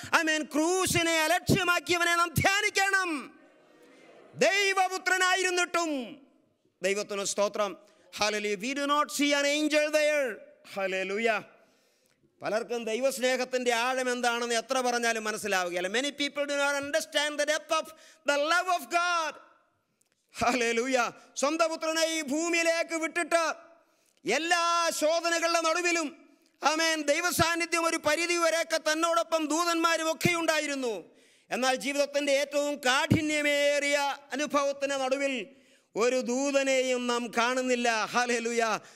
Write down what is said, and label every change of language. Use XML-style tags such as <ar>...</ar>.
<ml>I mean, ക്രൂശിനെ അലക്ഷ്യമാക്കിയവനെ നാം ധ്യാനിക്കണം. ദൈവപുത്രനായിരുന്നിട്ടും. ദൈവത്തിന് സ്തോത്രം.</ml> <en>Hallelujah. We do not see an angel there. Hallelujah.</en> <ml>പലർക്കും ദൈവസ്നേഹത്തിന്റെ ആഴം എന്താണെന്ന് എത്ര പറഞ്ഞാലും മനസ്സിലാവുകയില്ല.</ml> <en>Many people do not understand the depth of the love of God. Hallelujah.</en> <ml>സ്വന്തം പുത്രനെ ഈ ഭൂമിയിലേക്ക് വിട്ടിട്ട് എല്ലാ ശോധനകളുടെ നടുവിലും, ആമേൻ, ദൈവസാന്നിധ്യം ഒരു പരിധിവരെയൊക്കെ തന്നോടൊപ്പം ദൂതന്മാരും ഒക്കെ ഉണ്ടായിരുന്നു. എന്നാൽ ജീവിതത്തിന്റെ ഏറ്റവും കാഠിന്യമേറിയ അനുഭവത്തിന് നടുവിൽ ഒരു ദൂതനെയും നാം കാണുന്നില്ല. ഹല്ലേലൂയ.</ml>